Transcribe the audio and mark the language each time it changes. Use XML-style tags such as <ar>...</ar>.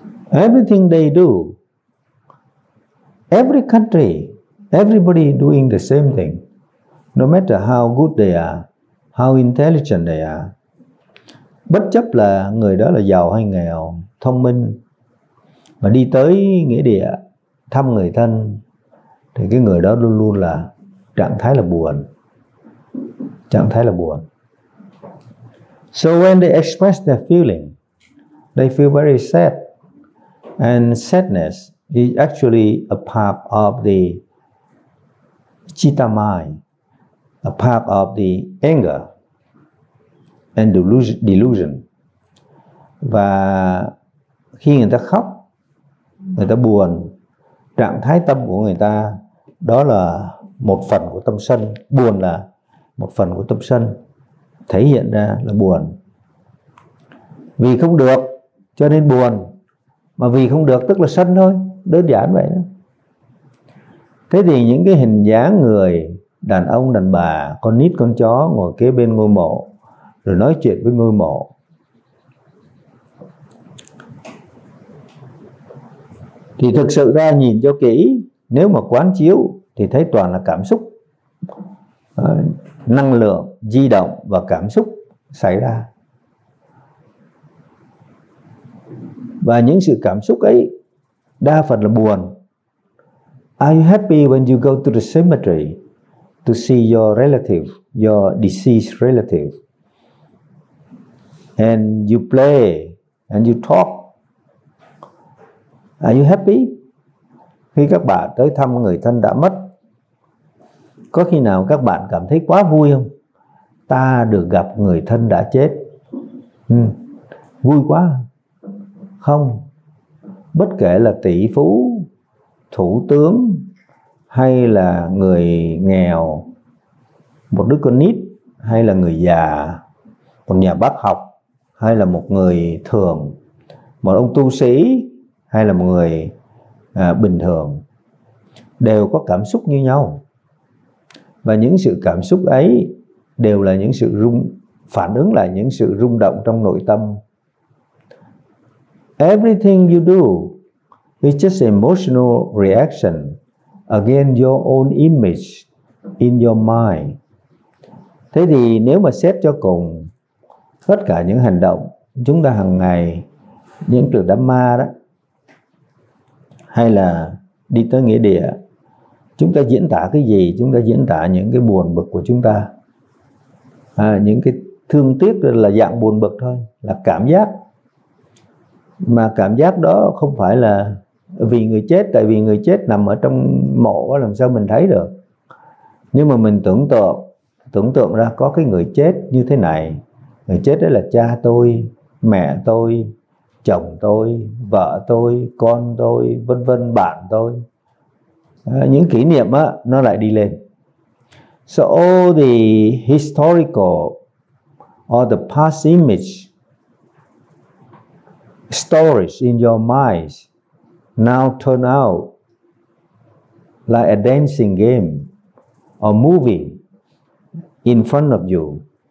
<en>Everything they do, every country, everybody doing the same thing, no matter how good they are, how intelligent they are.</en> <vi>Bất chấp là người đó là giàu hay nghèo, thông minh, mà đi tới nghĩa địa thăm người thân, thì cái người đó luôn luôn là trạng thái là buồn. Trạng thái là buồn.</vi> <en>So when they express their feeling, they feel very sad. And sadness is actually a part of the citta mind, a part of the anger and delusion.</en> <vi>Và khi người ta khóc, người ta buồn, trạng thái tâm của người ta đó là một phần của tâm sân, buồn là một phần của tâm sân thể hiện ra là buồn. Vì không được cho nên buồn, mà vì không được tức là sân thôi, đơn giản vậy đó. Thế thì những cái hình dáng người đàn ông, đàn bà, con nít, con chó ngồi kế bên ngôi mộ rồi nói chuyện với ngôi mộ, thì thực sự ra nhìn cho kỹ, nếu mà quán chiếu thì thấy toàn là cảm xúc, năng lượng di động và cảm xúc xảy ra. Và những sự cảm xúc ấy đa phần là buồn.</vi> <en>Are you happy when you go to the cemetery to see your relative, your deceased relative? And you play and you talk. Are you happy?</en> <vi>Khi các bạn tới thăm người thân đã mất, có khi nào các bạn cảm thấy quá vui không? Ta được gặp người thân đã chết. Vui quá. Không. Bất kể là tỷ phú, thủ tướng hay là người nghèo, một đứa con nít hay là người già, một nhà bác học hay là một người thường, một ông tu sĩ hay là một người bình thường, đều có cảm xúc như nhau. Và những sự cảm xúc ấy đều là những sự phản ứng lại những sự rung động trong nội tâm.</vi> <en>Everything you do is just emotional reaction against your own image in your mind.</en> <vi>Thế thì nếu mà xét cho cùng, tất cả những hành động chúng ta hàng ngày, những từ Dhamma đó, hay là đi tới nghĩa địa, chúng ta diễn tả cái gì? Chúng ta diễn tả những cái buồn bực của chúng ta, những cái thương tiếc là dạng buồn bực thôi, là cảm giác. Mà cảm giác đó không phải là vì người chết, tại vì người chết nằm ở trong mộ làm sao mình thấy được. Nhưng mà mình tưởng tượng ra có cái người chết như thế này. Người chết đó là cha tôi, mẹ tôi, chồng tôi, vợ tôi, con tôi, vân vân, bạn tôi. Những kỷ niệm á, nó lại đi lên.</vi> <en>So all the historical or the past image stories in your mind now turn out like a dancing game or movie in front of you.</en>